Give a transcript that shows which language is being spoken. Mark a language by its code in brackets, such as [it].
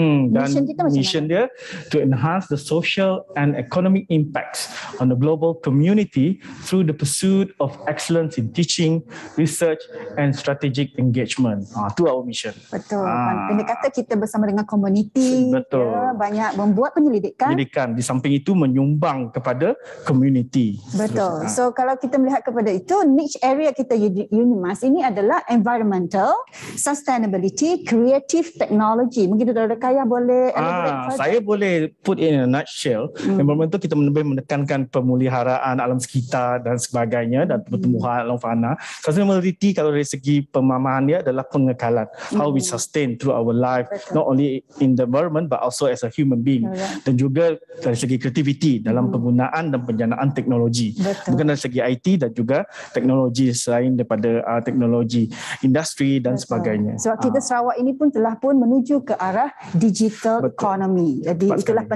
[ms] Dan [en] mission dia to enhance the social and economic impacts on the global community through the pursuit of excellence in teaching, research and strategic engagement. [ms] Itu [en] our mission. [ms] Betul. Pendek kata kita bersama dengan community. Betul. Banyak membuat penyelidikan. Penyelidikan. Di samping itu menyumbang kepada community. Betul. So kalau kita melihat kepada itu, niche area kita Unimas ini adalah environmental, sustainability, creative technology. Mungkin itu ada kaya boleh. Saya boleh [en] put in a nutshell. [ms] Environmental kita lebih menekankan pemuliharaan alam sekitar dan sebagainya, dan pertumbuhan alam fauna. Sustainability kalau dari segi pemahaman dia adalah pengekalan. [en] How we sustain through our life. [ms] Betul. [en] Not only in the environment but also as a human being. [ms] Betul. Dan juga dari segi creativity dalam penggunaan dan penjanaan teknologi. Betul. Bukan dari segi IT dan juga teknologi selain daripada teknologi industri dan betul sebagainya. Sebab kita Sarawak ini pun telah pun menuju ke arah digital betul economy. Jadi cepat itulah sekali